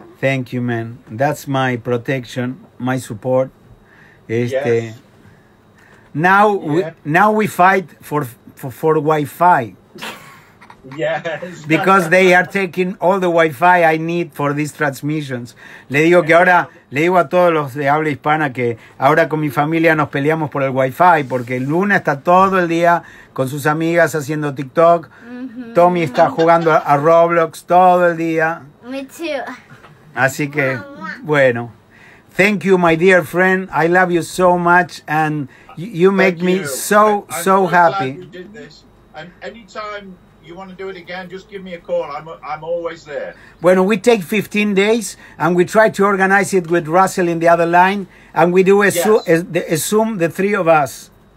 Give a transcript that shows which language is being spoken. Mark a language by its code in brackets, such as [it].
[en] Thank you, man. That's my protection, my support. Yes. Now we fight for Wi-Fi. Yes. Because they are taking all the Wi-Fi I need for these transmissions. [es] Le digo que ahora, le digo a todos los de habla hispana que ahora con mi familia nos peleamos por el Wi-Fi porque Luna está todo el día con sus amigas haciendo TikTok. Mm-hmm. Tommy está jugando a Roblox todo el día. [en] Me too. Así que, bueno. Thank you, my dear friend. I love you so much and you make you. Me so, I'm so happy. Glad you did this. And anytime you want to do it again, just give me a call. I'm always there. Well, we take 15 days and we try to organize it with Russell in the other line and we do assume the three of us.